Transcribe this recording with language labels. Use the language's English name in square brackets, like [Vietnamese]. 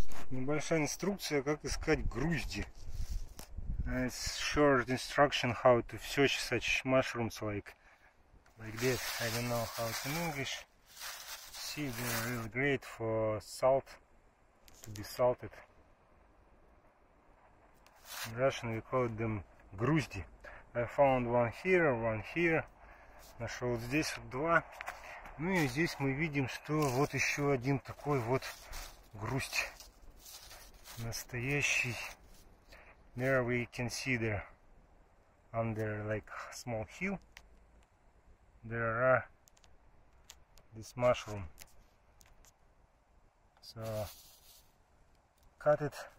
[Russian] Небольшая инструкция, как искать грузди. [English] It's short instruction how to search such mushrooms like this. I don't know how it's in English. See, they're really great for salt, to be salted. In Russian we call them грузди. I found one here, one here. [Russian] Нашел здесь вот два. Ну и здесь мы видим, что вот еще один такой вот грусть. Настоящий. [English] There we can see there under like small hill. There are this mushroom. So cut it.